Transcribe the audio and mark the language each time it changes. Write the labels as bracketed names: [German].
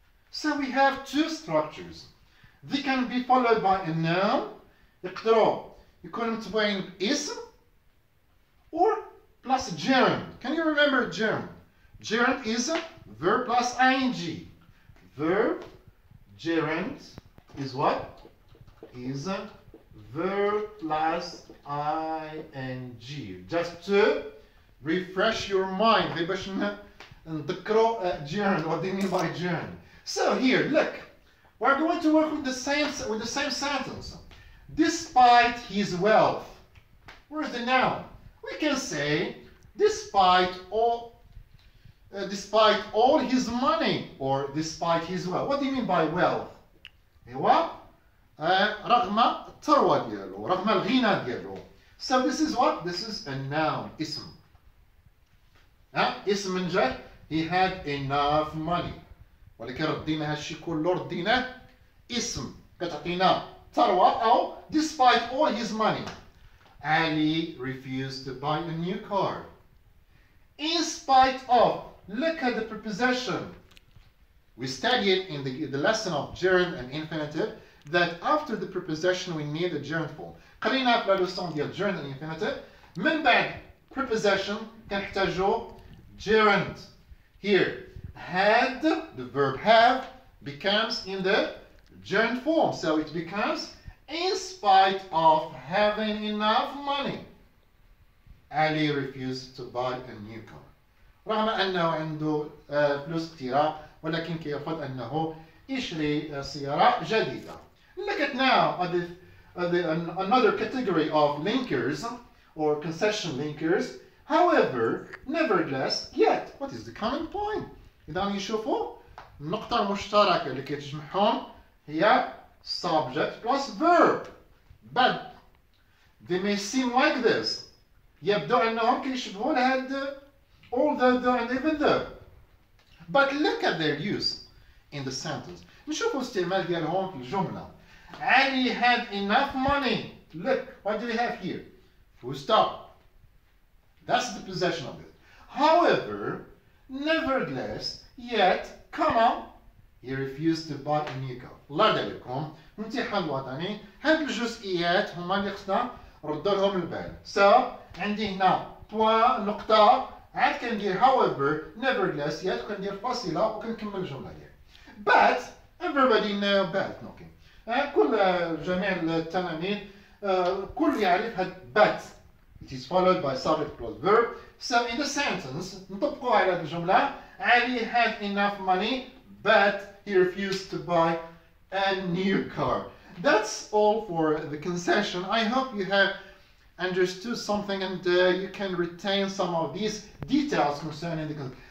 [English] So we have two structures. They can be followed by a noun. [Arabic] يقدروا يكون متبعين اسم or plus gerund. [English] Can you remember gerund? Gerund is a verb plus ing. Verb gerund is what? Is a verb plus ing. Just to refresh your mind. [Arabic] نذكروا جيرن. [English] What do you mean by gerund? So here, look. We're going to work with the same sentence. Despite his wealth. Where's the noun? We can say, despite all his money. Or despite his wealth. What do you mean by wealth? [Arabic] إيوا رغم الثروة ديالو. رغم الغنى ديالو. [English] So this is what? This is a noun. اسم. [Arabic] اسم من جد. [English] He had enough money. [Arabic] ولكن ردينا هالشي كله ردينا اسم كتعطينا ثروة أو [English] despite all his money. Ali refused to buy a new car. In spite of, look at the preposition. We studied in the lesson of gerund and infinitive that after the preposition we need a gerund form. [Arabic] قرينا في لا لوسون ديال gerund and infinitive. من بعد preposition كنحتاجو gerund. [English] Here, had, the verb have, becomes in the gerund form. So it becomes, in spite of having enough money, Ali refused to buy a new car. [Arabic] رغم أنه عنده فلوس كثيرة ولكن كيرفض أنه يشري سيارة جديدة. [English] Look at now another category of linkers or concession linkers. However, nevertheless, yet, what is the common point? [Arabic] إذا نشوفوا النقطة المشتركة اللي كتجمعهم هي subject plus verb. [English] But they may seem like this. [Arabic] يبدو أنهم كيشبهون هاد [English] although though and even though. But look at their use in the sentence. [Arabic] نشوفوا استعمال ديالهم في الجملة. [English] Ali had enough money. Look, what do we have here? Full stop. That's the possession of it. However, nevertheless, yet, comma, he refused to buy a new car. [Arabic] لا دلكم. انتي حلوة تاني. هاد الجزئيات هما اللي خصنا ردوا لهم البال. So, عندي هنا point, نقطة. عاد كندير however, nevertheless, yet, كندير فاصلة وكنكمل الجملة ديالي. [English] But, everybody know but, okay. [Arabic] كل جميع التلاميذ كل يعرف هاد but. [English] It is followed by subject plus verb. So in the sentence, [Arabic] نطبقوا على هاد الجملة. [English] Ali had enough money, but he refused to buy a new car. That's all for the concession. I hope you have understood something and you can retain some of these details concerning the concession.